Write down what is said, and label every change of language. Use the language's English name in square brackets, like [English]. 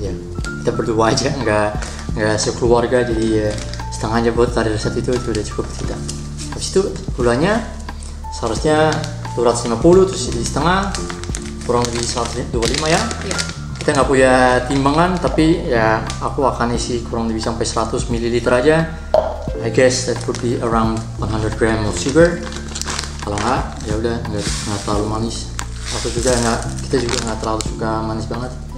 [Indonesian] Ya kita berdua aja, nggak sekeluarga. Jadi ya, setengah aja buat dari resep itu udah cukup kita. Habis itu gulanya seharusnya 250 terus jadi setengah. Kurang lebih 125 ya. Iya. Kita nggak punya timbangan, tapi ya aku akan isi kurang lebih sampai 100 ml aja. [English] I guess that would be around 100 gram of sugar. [Indonesian] Kalau nggak, ya udah nggak terlalu manis. Aku juga nggak, kita juga nggak terlalu suka manis banget.